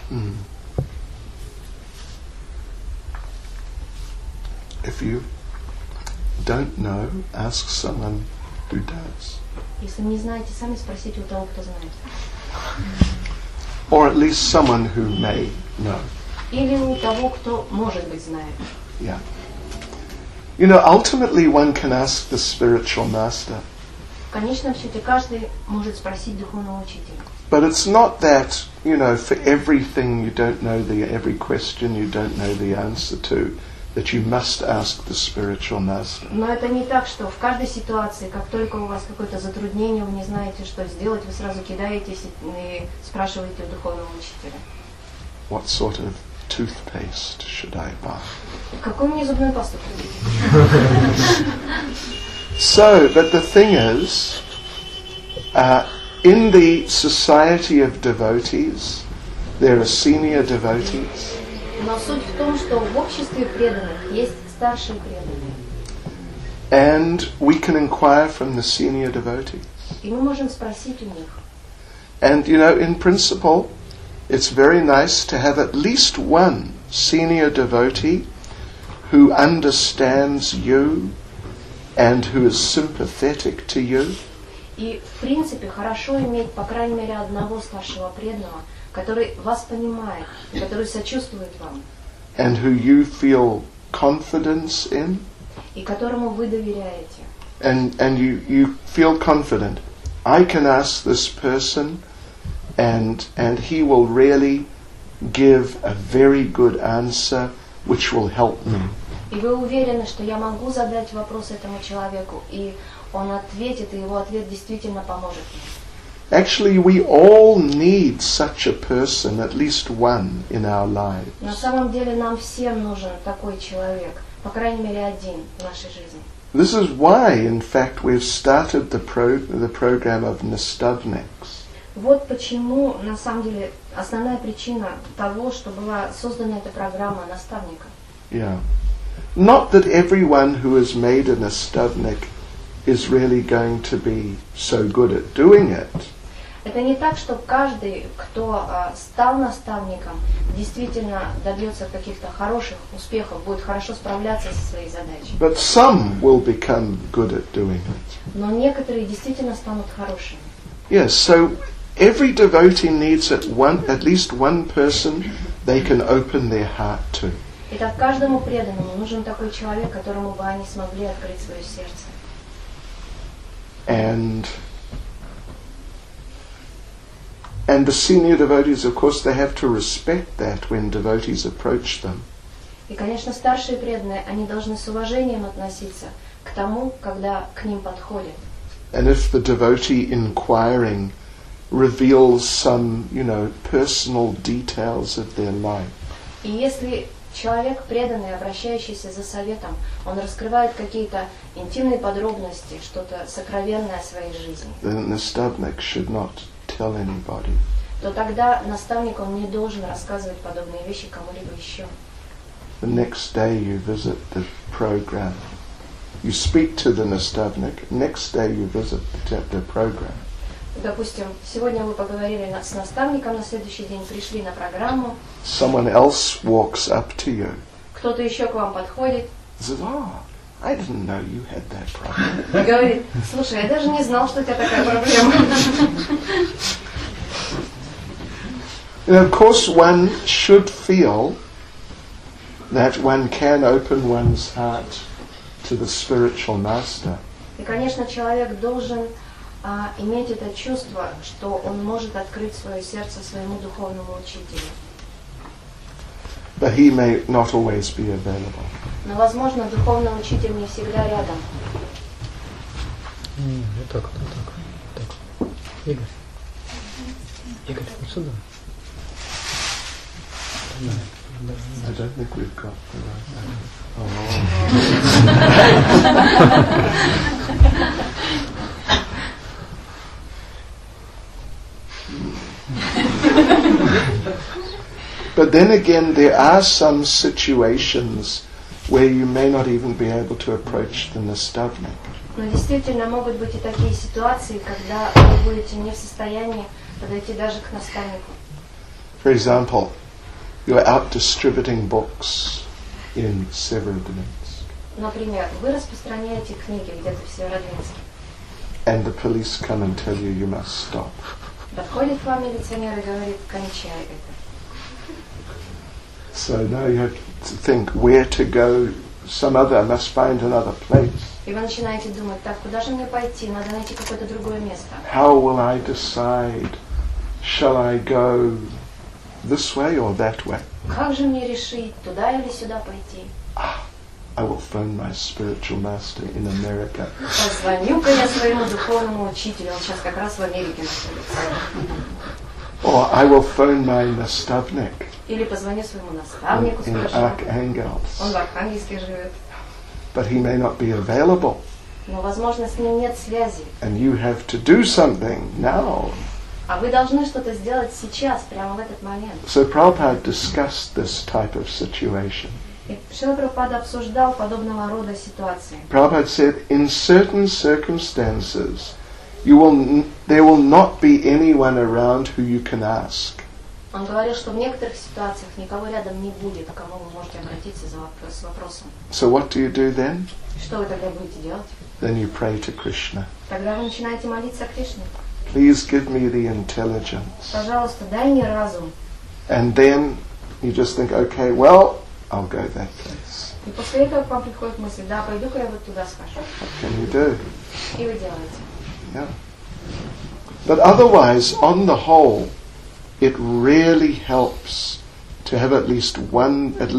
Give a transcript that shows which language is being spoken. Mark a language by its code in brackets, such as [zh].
[en] Mm. If you don't know, ask someone who does. [ru] Если не знаете, сами спросите у того, кто знает. [en] Or at least someone who may know. [ru] Или у того, кто может быть знает. [en] Yeah. You know, ultimately one can ask the spiritual master. [ru] В конечном счете каждый может спросить духовного учителя. [en] But it's not that, you know, for everything you don't know the every question you don't know the answer to, that you must ask the spiritual master. [ru] Но это не так, что в каждой ситуации, как только у вас какое-то затруднение, вы не знаете, что сделать, вы сразу кидаетесь и спрашиваете у духовного учителя. [en] What sort of toothpaste should I buy? [ru] Какую мне зубную пасту купить? [en] So, but the thing is, in the society of devotees, there are senior devotees. [ru] Но суть в том, что в обществе преданных есть старшие преданные. [en] And we can inquire from the senior devotees. [ru] И мы можем спросить у них. [en] And you know, in principle, it's very nice to have at least one senior devotee who understands you and who is sympathetic to you. [ru] И в принципе хорошо иметь по крайней мере одного старшего преданного, который вас понимает, который сочувствует вам. [en] And who you feel confidence in. [ru] И которому вы доверяете. [en] And you feel confident. I can ask this person and he will really give a very good answer which will help me. [ru] И вы уверены, что я могу задать вопрос этому человеку, и он ответит, и его ответ действительно поможет мне. [en] Actually, we all need such a person at least one in our lives. [ru] На самом деле нам всем нужен такой человек, по крайней мере один в нашей жизни. [en] This is why, in fact, we've started the program of nastavniks. [ru] Вот почему, на самом деле, основная причина того, что была создана эта программа наставника. [en] Yeah. Not that everyone who has made a nastavnik is really going to be so good at doing it. [ru] Это не так, что каждый, кто стал наставником, действительно добьется каких-то хороших успехов, будет хорошо справляться со своей задачей. [en] But some will become good at doing it. [ru] Но некоторые действительно станут хорошими. [en] Yes, so every devotee needs at least one person they can open their heart to. [ru] Итак, каждому преданному нужен такой человек, которому бы они смогли открыть свое сердце. [en] And the senior devotees, of course, they have to respect that when devotees approach them. [ru] И, конечно, старшие преданные, они должны с уважением относиться к тому, когда к ним подходят. [en] And if the devotee inquiring reveals some, you know, personal details of their life. [ru] И если человек преданный, обращающийся за советом, он раскрывает какие-то интимные подробности, что-то сокровенное о своей жизни. [en] Then the nastavnik should not tell anybody. [ru] То тогда наставник он не должен рассказывать подобные вещи кому-либо еще. [en] The next day you visit the program. You speak to the nastavnik. Next day you visit the program. [ru] Допустим, сегодня вы поговорили с наставником, на следующий день пришли на программу. [en] Someone else walks up to you. [ru] Кто-то еще к вам подходит. [en] Says, oh, I didn't know you had that problem. [ru] Говорит, слушай, я даже не знал, что у тебя такая проблема. [en] And of course, one should feel that one can open one's heart to the spiritual master. [ru] И, конечно, человек должен иметь это чувство, что он может открыть свое сердце своему духовному учителю. [en] But he may not always be available. [ru] Но, возможно, духовный учитель не всегда рядом. Так. Игорь, вот сюда. [en] I don't think we've got the right thing. Oh, but then again, there are some situations where you may not even be able to approach the nastavnik. [ru] Но действительно могут быть и такие ситуации, когда вы будете не в состоянии подойти даже к наставнику. [en] For example, you are out distributing books in Severodvinsk. [ru] Например, вы распространяете книги где-то в Северодвинске. [en] And the police come and tell you must stop. [ru] Подходит к вам милиционер и говорит, кончай это. [en] So now you have to think where to go. Some other, I must find another place. [ru] И вы начинаете думать, так куда же мне пойти? Надо найти какое-то другое место. [en] How will I decide? Shall I go this way or that way? [ru] Как же мне решить, туда или сюда пойти? [en] I will phone my spiritual master in America. [ru] Позвоню-ка я своему духовному учителю. Он сейчас как раз в Америке находится. [en] Or I will phone my nastavnik. [ru] Или позвоню своему наставнику, [en] in In Archangels. [ru] Он в Архангельске живет. [en] But he may not be available. [ru] Но, возможно, с ним нет связи. [en] And you have to do something now. [ru] А вы должны что-то сделать сейчас, прямо в этот момент. [en] So Prabhupada discussed this type of situation. [ru] И Шрила Прабхупада обсуждал подобного рода ситуации. [en] Prabhupada said, in certain circumstances, you will there will not be anyone around who you can ask. [ru] Он говорил, что в некоторых ситуациях никого рядом не будет, к кому вы можете обратиться за вопрос, с вопросом. [en] So what do you do then? [ru] Что вы тогда будете делать? [en] Then you pray to Krishna. [ru] Тогда вы начинаете молиться Кришне. [en] Please give me the intelligence. [ru] Пожалуйста, дай мне разум. [en] And then you just think, okay, well, I'll go that place. [ru] И после этого к вам приходит мысль, да, пойду-ка я вот туда скажу. [en] What can you do? [ru] И вы делаете. [en] Yeah. But otherwise, on the whole, it really helps to have at least one